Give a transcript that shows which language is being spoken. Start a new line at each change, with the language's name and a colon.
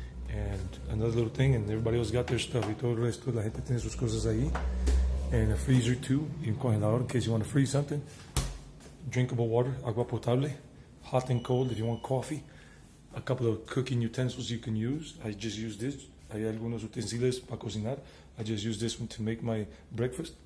English: And another little thing, and everybody else got their stuff.
Spanish: Y todo el resto de la gente tiene sus cosas ahí.
English: And a freezer too,
Spanish: y un congelador,
English: in case you want to freeze something. Drinkable water,
Spanish: agua potable,
English: hot and cold if you want coffee. A couple of cooking utensils you can use. I just use this.
Spanish: Hay algunos utensilios para cocinar.
English: I just use this one to make my breakfast.